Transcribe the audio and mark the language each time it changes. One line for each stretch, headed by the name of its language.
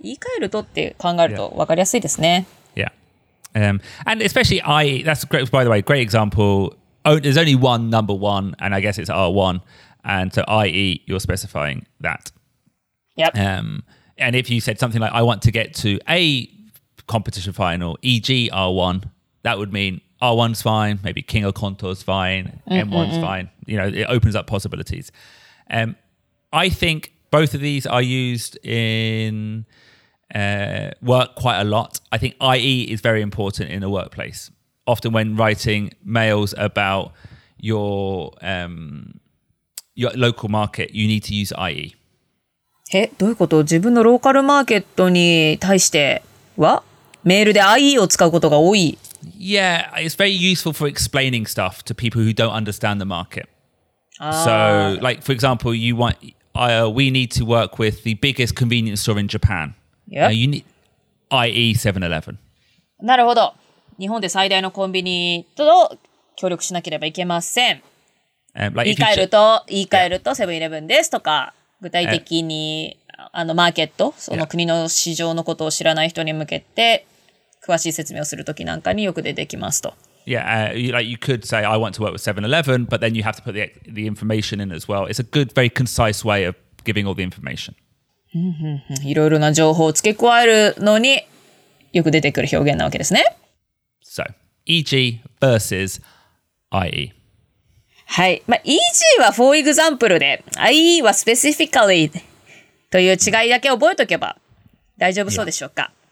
Japanese: 言い換えるとって考えると分かりやすいですね。
English: Yeah. And especially I.E. That's great, by the way, great example. Oh, there's only one number one, and I guess it's R1. And so I.E., you're specifying that. Yep. And if you said something like, I want to get to a competition final, e.g. R1, that would mean... R1's fine, maybe King of Conto's fine, M1's fine. You know, it opens up possibilities. I think both of these are used in work quite a lot. I think IE is very important in the workplace. Often when writing mails about your local market, you need to use IE.
Japanese: え、どういうこと? 自分のローカルマーケットに対してはメールで IE を使うことが多い。
English: Yeah, it's very useful for explaining stuff to people who don't understand the market. So, like, for example, you want, we need to work with the biggest convenience store in Japan. Yeah. You need, i.e. 7-Eleven.
Japanese: なるほど。日本で最大のコンビニと協力しなければいけません。
English: Like、
Japanese: 言い換えると 7-Eleven ですとか、具体的にあのマーケット、その国の市場のことを知らない人に向けて、詳しい説明をするときなんかによく出てきますと。
English: Yeah, like you could say, I want to work with 7-Eleven, but then you have to put the information in as well. It's a good, very concise way of giving all the information.
Japanese: いろいろな情報を付け加えるのによく出てくる表現なわけですね。
English: So, e.g. versus i.e.
Japanese: はい。まあ、e.g. は
English: for example
Japanese: で、i.e. は specifically という違いだけ覚えとけば大丈夫そうでしょうか。